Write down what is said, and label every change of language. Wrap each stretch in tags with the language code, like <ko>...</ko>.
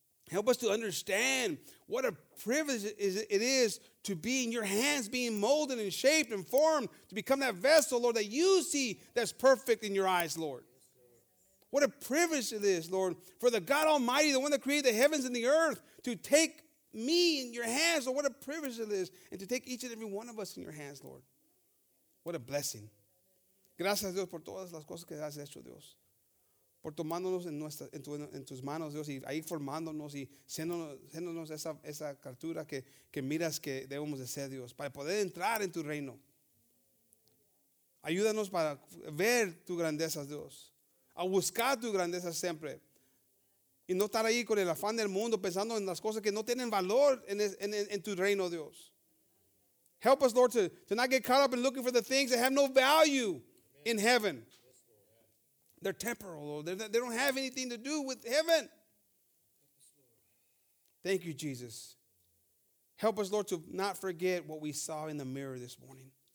<en>Help us to understand what a privilege it is to be in your hands, being molded and shaped and formed to become that vessel, Lord, that you see that's perfect in your eyes, Lord. What a privilege it is, Lord, for the God Almighty, the one that created the heavens and the earth, to take me in your hands. Lord, what a privilege it is, and to take each and every one of us in your hands, Lord. What a blessing.</en> <es>Gracias, Dios, por todas las cosas que has hecho, Dios. Por tomándonos en tus manos, Dios, y ahí formándonos y siéndonos esa cultura que miras que debemos de ser, Dios, para poder entrar en tu reino. Ayúdanos para ver tu grandeza, Dios. A buscar tu grandeza siempre. Y no estar ahí con el afán del mundo pensando en las cosas que no tienen valor en tu reino, Dios.</es> <en>Help us, Lord, to not get caught up in looking for the things that have no value Amen. In heaven. They're temporal, Lord. They don't have anything to do with heaven. Thank you, Jesus. Help us, Lord, to not forget what we saw in the mirror this morning.</en>